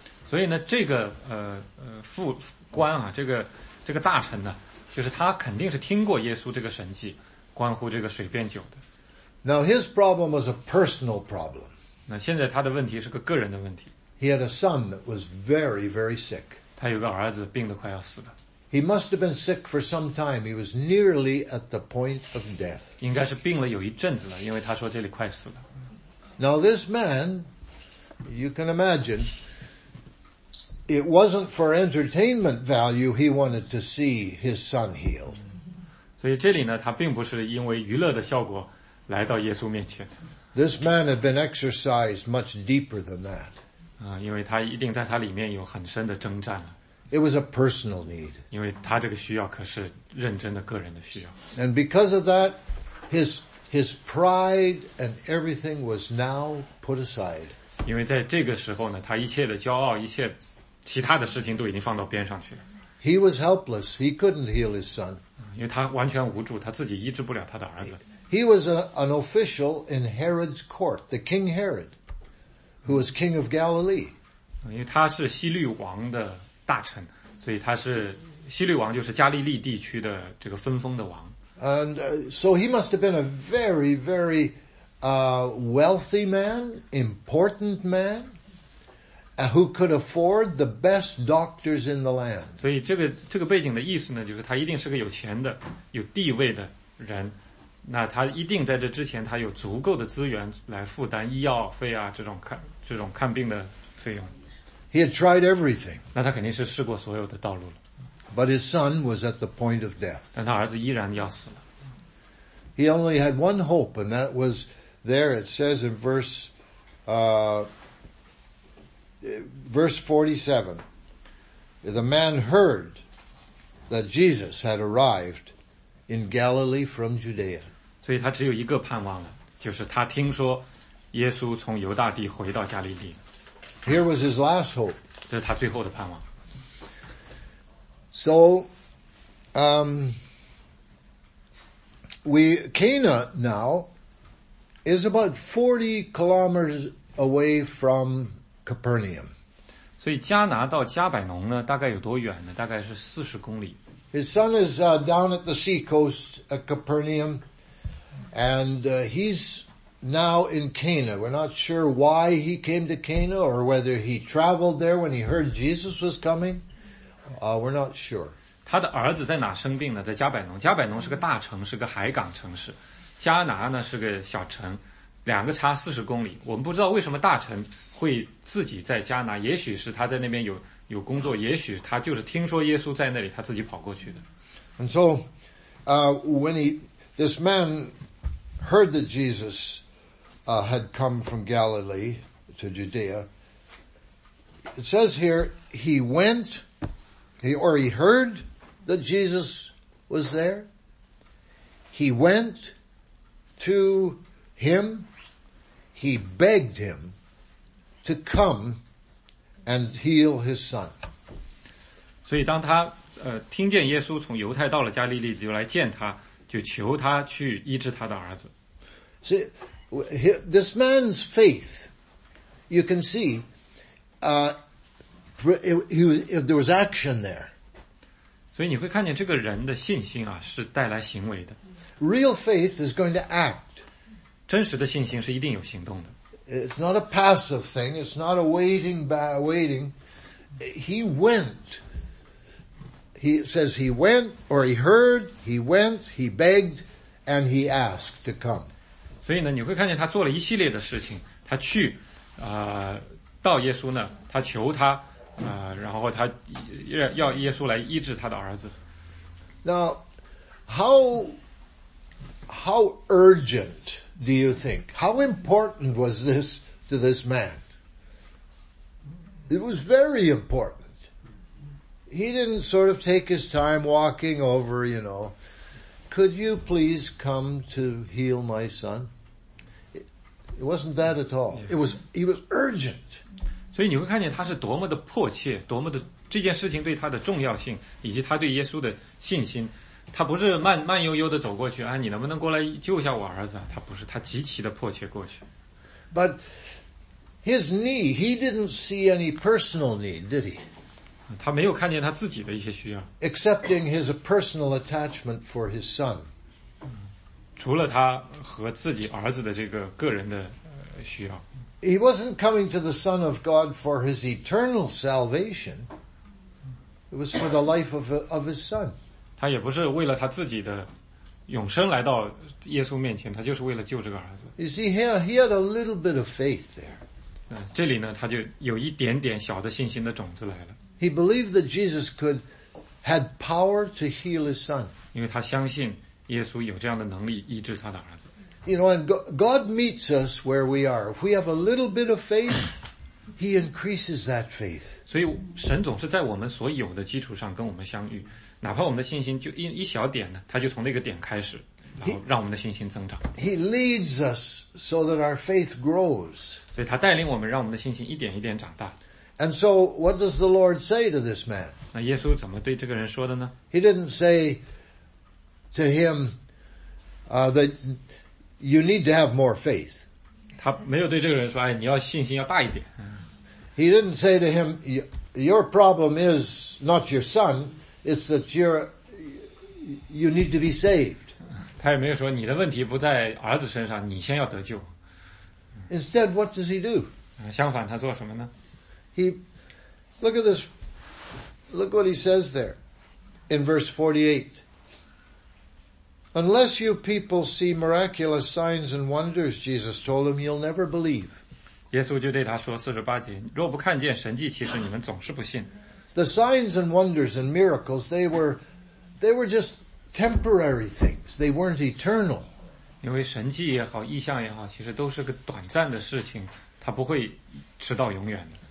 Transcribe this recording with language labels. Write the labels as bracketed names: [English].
[Chinese] 所以呢，这个副官啊，这个大臣呢，就是他肯定是听过耶稣这个神迹，关乎这个水变酒的。 [English] Now his problem was a personal problem. [Chinese] 那现在他的问题是个个人的问题。 [English] He had a son that was very, very sick. [Chinese] 他有个儿子病得快要死了。 [English] He must have been sick for some time. He was nearly at the point of death. [Chinese] 应该是病了有一阵子了，因为他说这里快死了。 [English] Now this man, you can imagine,It wasn't for entertainment value he wanted to see his son healed. [Chinese] 所以这里呢，他并不是因为娱乐的效果来到耶稣面前。 [English] This man had been exercised much deeper than that. [Chinese] 因为他一定在他里面有很深的征战了。 [English] It was a personal need. [Chinese] 因为他这个需要可是认真的个人的需要。 [English] And because of that, his pride and everything was now put aside. [Chinese] 因为在这个时候呢，他一切的骄傲，一切其他的事情都已经放到边上去了。 [English] He was helpless. He couldn't heal his son. [Chinese] 因为他完全无助，他自己医治不了他的儿子。 [English] He was an official in Herod's court, the King Herod, who was king of Galilee. [Chinese] 因为他是希律王的大臣，所以他是希律王，就是加利利地区的这个分封的王。 [English] And so he must have been a very, very wealthy man, important man. Who could afford the best doctors in the land? [Chinese] 所以这个背景的意思呢，就是他一定是个有钱的、有地位的人。那他一定在这之前，他有足够的资源来负担医药费啊，这种看病的费用。 [English] He had tried everything. [Chinese] 那他肯定是试过所有的道路了。 [English] But his son was at the point of death. [Chinese] 但他儿子依然要死了。 [English] He only had one hope, and that was there. It says in verse, Verse 47, the man heard that Jesus had arrived in Galilee from Judea. [Chinese] 所以他只有一个盼望了，就是他听说耶稣从犹大地回到加利利。 [English] Here was his last hope. [Chinese] 这是他最后的盼望。 [English] So, Cana now is about 40 kilometers away from Capernaum. [Chinese] 所以加拿到加百农呢，大概有多远呢？大概是40公里。 [English] His son is down at the sea coast at Capernaum, and he's now in Cana. We're not sure why he came to Cana or whether he traveled there when he heard Jesus was coming. We're not sure. [Chinese] 他的儿子在哪生病呢？在加百农。加百农是个大城，是个海港城市。加拿呢是个小城，两个差40公里。我们不知道为什么大臣会自己在加拿，也许是他在那边有工作，也许他就是听说耶稣在那里，他自己跑过去的。 [English] And so, when this man heard that Jesus, had come from Galilee to Judea, it says here he went, he heard that Jesus was there. He went to him. He begged him to come and heal his son. [Chinese] 所以当他听见耶稣从犹太到了加利利，就来见他，就求他去医治他的儿子。 [English] See, this man's faith, you can see, there was action there. [Chinese] 所以你会看见这个人的信心啊，是带来行为的。 [English] Real faith is going to act. [Chinese] 真实的信心是一定有行动的。 [English] It's not a passive thing. It's not a waiting by waiting. He went. He says he went, or he heard, he went, he begged, and he asked to come. [Chinese] 所以呢，你会看见他做了一系列的事情。他去，到耶稣那，他求他，然后他要耶稣来医治他的儿子。 [English] Now, how urgent do you think? How important was this to this man? It was very important. He didn't sort of take his time walking over, you know. Could you please come to heal my son? It wasn't that at all. He was urgent. [Chinese] 所以你会看见他是多么的迫切，多么的这件事情对他的重要性，以及他对耶稣的信心。他不是慢悠悠地走过去，啊，你能不能过来救一下我儿子？他不是，他极其的迫切过去。 [English] But his need, he didn't see any personal need, did he? [Chinese] 他没有看见他自己的一些需要。 [English] Excepting his personal attachment for his son. [Chinese] 除了他和自己儿子的这个个人的需要。 [English] He wasn't coming to the Son of God for his eternal salvation. It was for the life of his son. [Chinese] 他也不是为了他自己的永生来到耶稣面前，他就是为了救这个儿子。 [English] You see, he had a little bit of faith there. [Chinese] 这里呢，他就有一点点小的信心的种子来了。 [English] He believed that Jesus had power to heal his son. [Chinese] 因为他相信耶稣有这样的能力医治他的儿子。 [English] You know, and God meets us where we are. If we have a little bit of faith, He increases that faith. [Chinese] 所以神总是在我们所有的基础上跟我们相遇。哪怕我们的信心就一小点呢，他就从那个点开始，然后让我们的信心增长。 [English] He leads us so that our faith grows. [Chinese] 所以他带领我们，让我们的信心一点一点长大。 [English] And so, what does the Lord say to this man? [Chinese] 那耶稣怎么对这个人说的呢？ [English] He didn't say to him, that you need to have more faith. [Chinese] 他没有对这个人说，哎，你要信心要大一点。 [English] He didn't say to him, your problem is not your son. It's that you need to be saved. [Chinese] 他也没有说你的问题不在儿子身上，你先要得救。 [English] Instead, what does he do? [Chinese] 相反，他做什么呢？ [English] He look at this. Look what he says there in verse 48. Unless you people see miraculous signs and wonders, Jesus told him, you'll never believe. [Chinese] 耶稣就对他说48节：若不看见神迹奇事，你们总是不信。 [English] The signs and wonders and miracles, they were just temporary things. They weren't eternal. [Chinese] 因为神迹也好，异象也好，其实都是个短暂的事情，它不会持到永远的。